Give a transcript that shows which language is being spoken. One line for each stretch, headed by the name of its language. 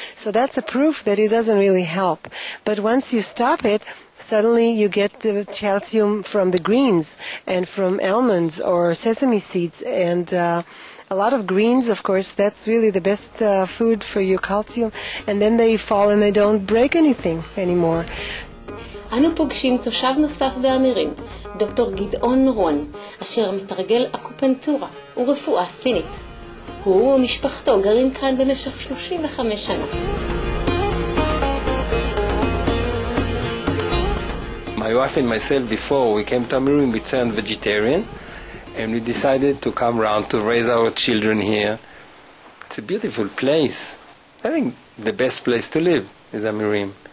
English: So that's a proof that it doesn't really help. But once you stop it, suddenly you get the calcium from the greens and from almonds or sesame seeds and a lot of greens, of course. That's really the best food for your calcium, and then they fall and they don't break anything anymore.
Hebrew: אנו פוגשים תושב נוסף באמירים, דוקטור גדעון רון, אשר מתרגל אקופנטורה ורפואה סינית. הוא ומשפחתו גרים כאן במשך 35 שנה.
English: My wife and myself, before we came to Amirim, we turned vegetarian, and we decided to come around to raise our children here. It's a beautiful place. I think the best place to live is Amirim.